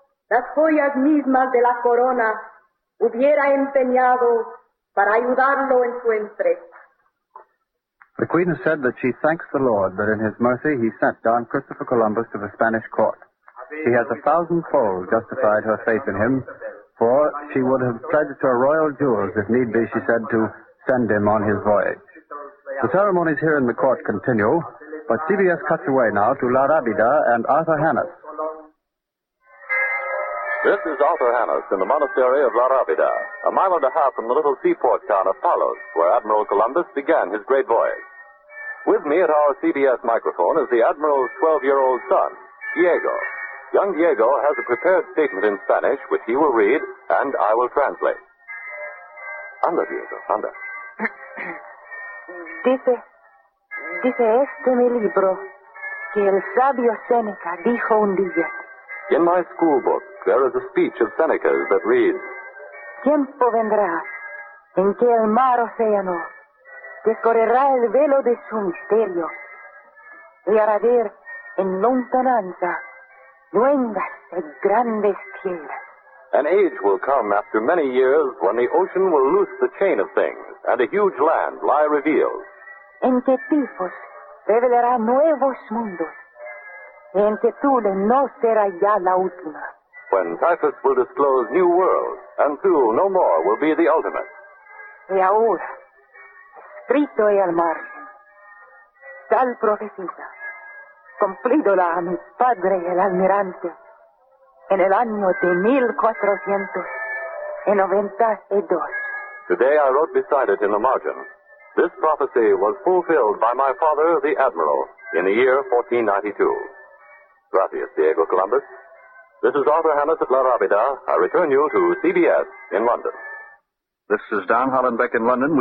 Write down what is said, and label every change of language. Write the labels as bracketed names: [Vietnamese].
[Spanish] Las joyas mismas de la corona hubiera empeñado para ayudarlo en su empresa. [English] The queen has said that she thanks the Lord that in his mercy he sent Don Christopher Columbus to the Spanish court. She has a thousandfold justified her faith in him, for she would have pledged her royal jewels, if need be, she said, to send him on his voyage. The ceremonies here in the court continue, but CBS cuts away now to La Rábida and Arthur Hannes. This is Arthur Hannes in the monastery of La Rábida, a mile and a half from the little seaport town of Palos, where Admiral Columbus began his great voyage. With me at our CBS microphone is the Admiral's 12-year-old son, Diego. Young Diego has a prepared statement in Spanish, which he will read, and I will translate. [Spanish] Anda, Diego, anda. Dice este mi libro que el sabio Seneca dijo un día. [English] In my school book, there is a speech of Seneca's that reads, [Spanish] Tiempo vendrá en que el mar océano descorrerá el velo de su misterio y hará ver en lontananza nuevas y grandes tierras. [English] An age will come after many years when the ocean will loose the chain of things and a huge land lie revealed. [Spanish] En que tifos revelará nuevos mundos y en que Tule no será ya la última. [English] When Typhus will disclose new worlds, and Thule no more will be the ultimate. [Spanish] Y ahora, escrito y al margen, tal profecita, cumplidola a mi padre el almirante, en el año de 1492. [English] Today I wrote beside it in the margin, this prophecy was fulfilled by my father, the admiral, in the year 1492. [Spanish] Gracias, [English] Diego Columbus. This is Arthur Hannes at La Rábida. I return you to CBS in London. This is Don Hollenbeck in London.